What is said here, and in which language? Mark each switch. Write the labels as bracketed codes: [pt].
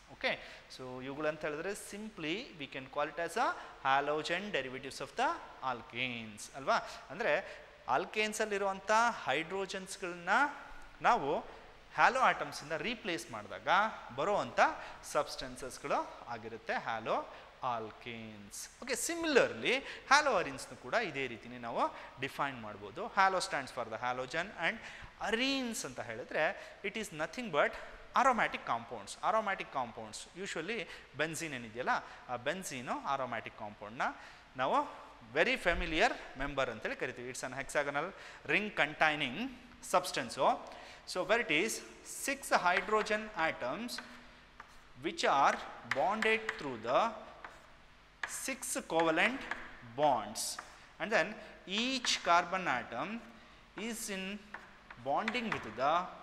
[kn] Okay, so ivugalanta helidre [en] simply we can call it as a halogen derivatives of the alkanes [kn] alva, andre alkanes alli iruvanta hydrogens galanna naavu hello ಆಟಮ್ಸಿಂದ replace ಮಾಡಿದಾಗ ಬರುವಂಥ ಸಬ್ಸ್ಟೆನ್ಸಸ್ಗಳು ಆಗಿರುತ್ತೆ hello alkanes. Okay, similarly hello ಅರೀನ್ಸ್ನು ಕೂಡ ಇದೇ ರೀತಿಯೇ ನಾವು define ಮಾಡ್ಬೋದು. [en] halo stands for the halogen and arenes [kn] ಅಂತ ಹೇಳಿದ್ರೆ [en] It is nothing but aromatic compounds. [kn] Aromatic compounds usually benzene ಏನಿದೆಯಲ್ಲ ಆ ಬೆನ್ಸಿನು ಆರೋಮ್ಯಾಟಿಕ್ ಕಾಂಪೌಂಡ್ನ ನಾವು ವೆರಿ ಫೆಮಿಲಿಯರ್ ಮೆಂಬರ್ ಅಂತೇಳಿ ಕರಿತೀವಿ. [en] It's an hexagonal ring containing substance. So where it is, 6 hydrogen atoms which are bonded through the 6 covalent bonds, and then each carbon atom is in bonding with the